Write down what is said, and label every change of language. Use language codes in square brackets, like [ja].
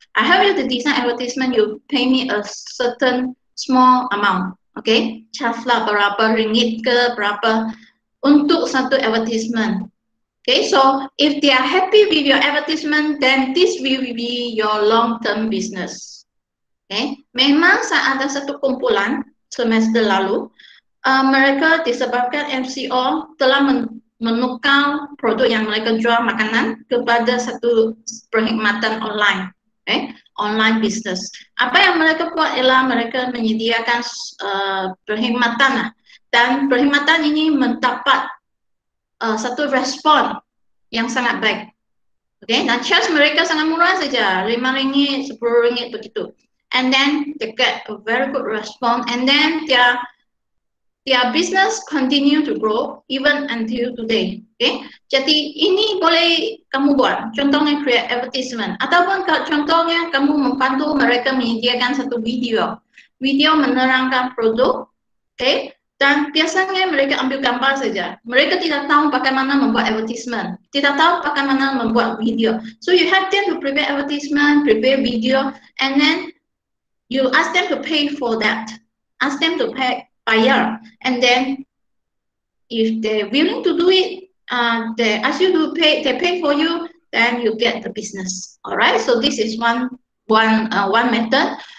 [en] I help you to design advertisement, you pay me a certain small amount. [ms] Okay, charge lah berapa ringgit ke berapa untuk satu advertisement. [en] Okay, so if they are happy with your advertisement, then this will be your long-term business. [ms] Okay, memang saya ada satu kumpulan semester lalu, mereka disebabkan MCO telah menukar produk yang mereka jual makanan kepada satu perkhidmatan online, okay? [en] Online business. [ms] Apa yang mereka buat ialah mereka menyediakan perkhidmatan, dan perkhidmatan ini mendapat satu respon yang sangat baik. Okay, nah charge mereka sangat murah saja, RM5, RM10 begitu. [en] And then they get a very good response, and then their business continue to grow even until today. [ms] Okay, jadi ini boleh kamu buat. Contohnya create advertisement, ataupun contohnya kamu membantu mereka menyediakan satu video, video menerangkan produk. Okay, dan biasanya mereka ambil gambar saja. Mereka tidak tahu bagaimana membuat advertisement, tidak tahu bagaimana membuat video. [en] So you have them to prepare advertisement, prepare video, and then you ask them to pay for that. Ask them to pay buyer, and then if they're willing to do it, they ask you to pay. They pay for you, then you get the business. Alright. So this is one method.